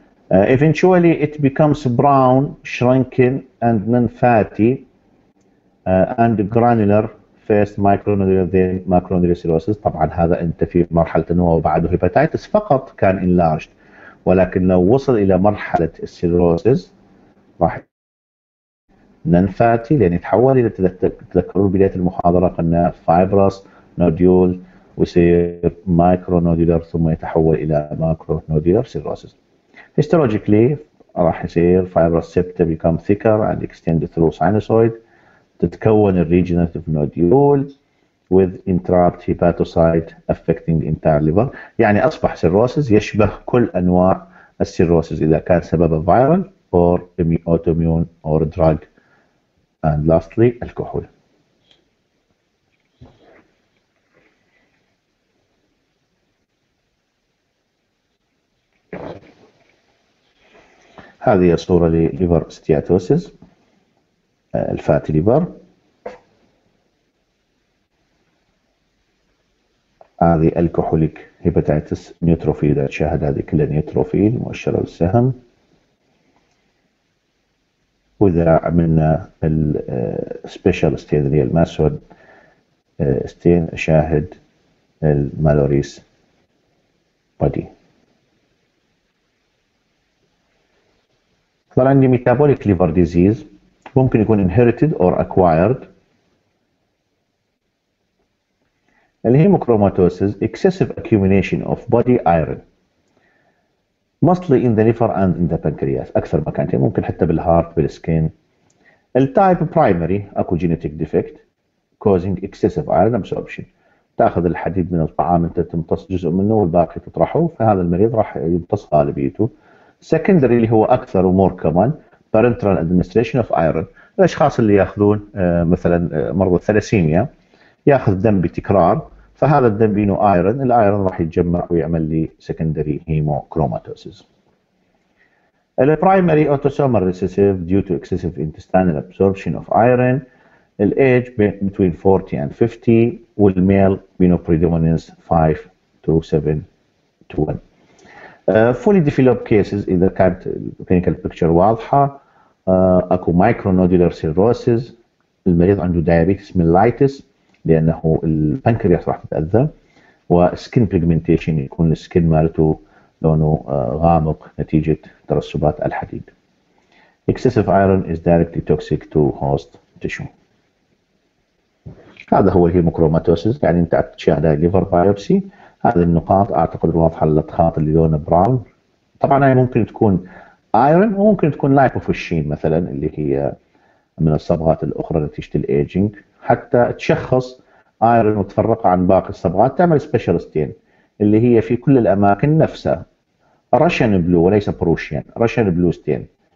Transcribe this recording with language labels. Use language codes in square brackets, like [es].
[en] Eventually it becomes brown, shrinking and non-fatty and granular. First micronodular then macronodular cirrhosis. [ar] طبعا هذا انت في مرحلة نمو وبعده هيباتيتس فقط كان enlarged، ولكن لو وصل الى مرحلة السيروسيس راح ننفاتي لان يتحول الى، تذكروا بداية المحاضرة قلنا [en] fibrous nodule [ar] ويصير micronodular ثم يتحول الى macronodular cirrhosis. [en] Histologically [ar] راح يصير [en] fibrous septa become thicker and extend through sinusoid. [ar] تتكون الريجنراتيف نوديول [en] with interrupt hepatocyte affecting entire liver. [ar] يعني أصبح سيروسيس يشبه كل أنواع السيروسيس إذا كان سببه [en] viral or autoimmune or drug and lastly [ar] الكحول. هذه صورة لليفر ستياتوسيس الفاتي ليفر. هذه الكحوليك هيباتيتس نيوتروفيل، شاهد هذه كلها نيوتروفيل مؤشر السهم. وإذا عملنا السبيشال ستين اللي هي الماسود ستين شاهد المالوريس بادي. صار عندي ميتابوليك ليفر ديزيز ممكن يكون inherited or acquired. [en] الهيموكروماتوسيس excessive accumulation of body iron mostly in the liver and in the pancreas [ar] أكثر مكانتين، ممكن حتى بالهارت بالسكين. التايب primary اكو [en] genetic defect causing excessive iron absorption، [ar] تأخذ الحديد من الطعام انت تمتص جزء منه والباقي تطرحه، فهذا المريض راح يمتص غالبيته. secondary اللي هو أكثر ومور كمان [en] parenteral administration of iron، [ar] الأشخاص اللي يأخذون مثلا مرضى الثلاسيميا يأخذ دم بتكرار، فهذا الدم بينه آيرن، الآيرن راح يتجمع ويعمل لي secondary hemochromatosis. [en] The primary autosomal recessive due to excessive intestinal absorption of iron. The age between 40 and 50 with male [ar] بينه [en] predominance 5-7-1. Fully developed cases [ar] إذا كانت [en] clinical picture [ar] واضحة. أكو micronodular cirrhosis، المريض عنده diabetes mellitus لأنه البنكرياس راح تتأذى، وسكين بيجمنتيشن يكون السكين مالته لونه غامق نتيجة ترسبات الحديد. [en] excessive iron is directly toxic to host tissue. [ar] هذا هو الهيموكروماتوسيس، يعني انت تشاهد ليفر بايوبسي هذه النقاط اعتقد واضحة الاضخاط اللي لونه براون. طبعا هي ممكن تكون iron وممكن تكون lipofuscin مثلا اللي هي من الصبغات الأخرى نتيجة الايجينج، حتى تشخص ايرون وتفرق عن باقي الصبغات تعمل سبيشالستين اللي هي في كل الاماكن نفسها راشن بلو وليس بروشين، راشن بلو ستين.